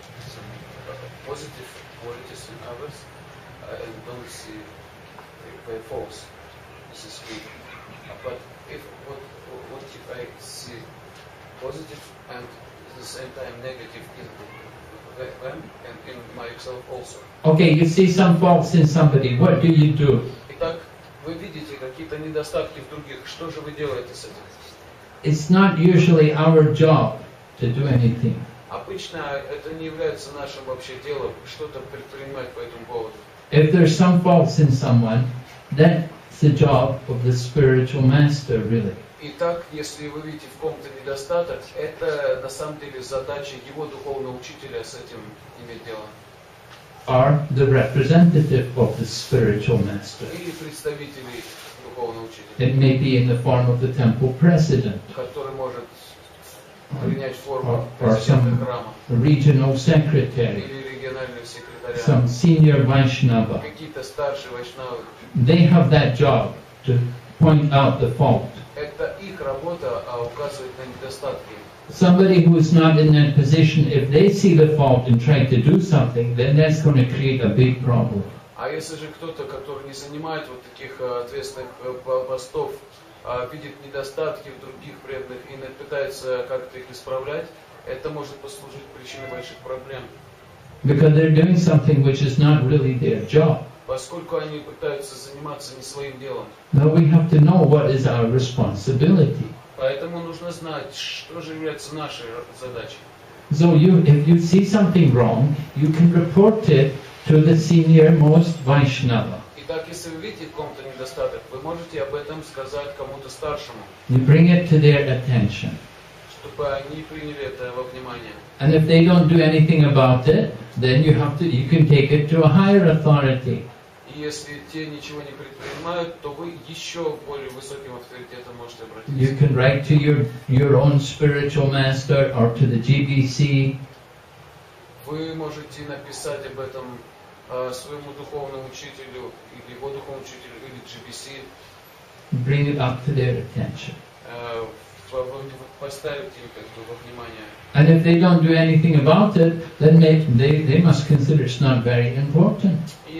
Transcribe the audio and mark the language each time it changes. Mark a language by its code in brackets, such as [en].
[en] Some positive qualities in others and don't see their faults. This is good. But if what if I see positive and at the same time negative in them and in myself also? Okay, you see some faults in somebody. What do you do? [ru] Итак, вы видите какие-то недостатки в других. Что же вы делаете с этим? [en] It's not usually our job to do anything. [ru] Обычно это не является нашим вообще делом что-то предпринимать по этому поводу. [en] If there's some faults in someone, then the job of the spiritual master, really. [ru] Итак, если вы видите в ком-то недостаток, это на самом деле задача его духовного учителя с этим иметь дело. [en] Are the representative of the spiritual master. [ru] Или представители духовного учителя. [en] It may be in the form of the temple president. [ru] Который может принять форму президента храма. [en] Regional secretary. [ru] Или региональный секретарь. [en] Some senior Vaishnava. [ru] Какие-то старшие Вайшнавы. [en] They have that job to point out the fault. [ru] Это их работа, а указывает на недостатки. [en] Somebody who is not in that position, if they see the fault and try to do something, then that's going to create a big problem. [ru] А если же кто-то, который не занимает вот таких ответственных постов, видит недостатки в других преданных и пытается как-то их исправлять, это может послужить причиной больших проблем. [en] Because they're doing something which is not really their job. [ru] Поскольку они пытаются заниматься не своим делом. [en] Now we have to know what is our responsibility. [ru] Поэтому нужно знать, что же является нашей задачей. [en] So you, if you see something wrong, you can report it to the senior most Vaishnava. [ru] Итак, если вы видите в ком-то недостаток, вы можете об этом сказать кому-то старшему. [en] You bring it to their attention. [ru] Чтобы они приняли это во внимание. [en] And if they don't do anything about it, then you have to, you can take it to a higher authority. [ru] И если те ничего не предпринимают, то вы еще к более высоким авторитетам можете обратиться. [en] You can write to your own spiritual master or to the GBC. [ru] Вы можете написать об этом своему духовному учителю или его духовному учителю или GBC. [en] Bring it up to their attention. And if they don't do anything about it, then they must consider it's not very important.